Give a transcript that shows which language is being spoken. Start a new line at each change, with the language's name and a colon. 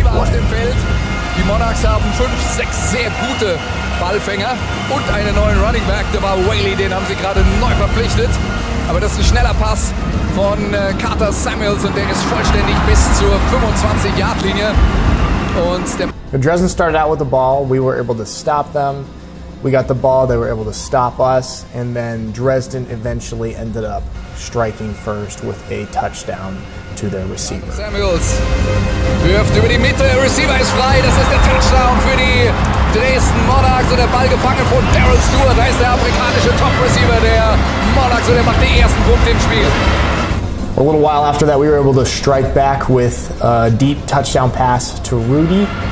German: Die Monarchs haben 5-6 sehr gute Ballfänger und einen neuen Running Back. Der war Whaley, den haben sie gerade neu verpflichtet. Aber das ist ein schneller Pass von Carter Samuels und der ist vollständig bis zur 25-Yard-Linie. Und der
English: Dresden started out with the ball. We were able to stop them. We got the ball, they were able to stop us, and then Dresden eventually ended up striking first with a touchdown to their receiver.
German: Samuels wirft über die Mitte, Receiver ist frei, das ist der Touchdown für die Dresden Monarchs und der Ball gefangen von Daryl Stewart, da ist der amerikanische Top-Receiver der Monarchs und er macht den ersten Punkt im Spiel.
English: A little while after that, we were able to strike back with a deep touchdown pass to Rudy.